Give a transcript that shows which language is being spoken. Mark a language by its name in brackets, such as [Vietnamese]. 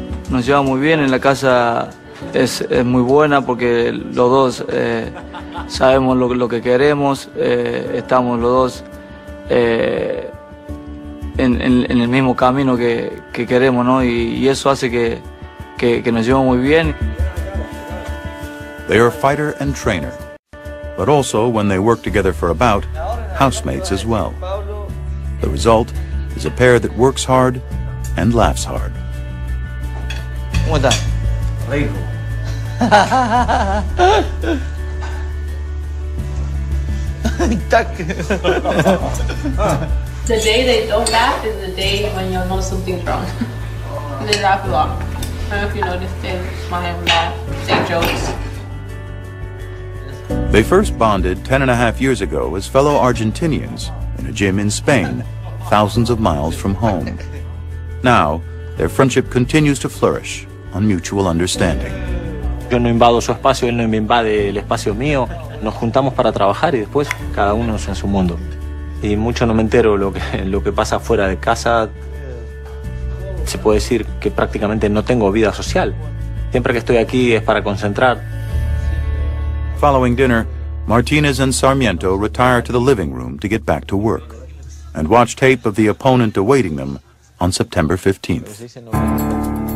[Spanish] Nos lleva muy bien en la casa, es muy buena porque los dos sabemos lo que queremos, estamos los dos en el mismo camino que queremos, ¿no? Y eso hace que nos llevemos muy bien. [English] They are fighter and trainer, but also when they work together for a bout, housemates as well. The result is a pair that works hard and laughs hard. What's that? [Spanish] Rico. [English] The day they don't laugh is the day when you know something's wrong. They laugh a lot. I don't know if you notice, they smile, laugh, say jokes. They first bonded 10.5 years ago as fellow Argentinians in a gym in Spain, thousands of miles from home. Now, their friendship continues to flourish on mutual understanding. [Spanish] Yo no invado su espacio, él no me invade el espacio mío. Nos juntamos para trabajar y después cada uno es en su mundo. Y mucho no me entero lo que pasa fuera de casa. Se puede decir que prácticamente no tengo vida social. Siempre que estoy aquí es para concentrar. [English] Following dinner, Martinez and Sarmiento retire to the living room to get back to work and watch tape of the opponent awaiting them on September 15th.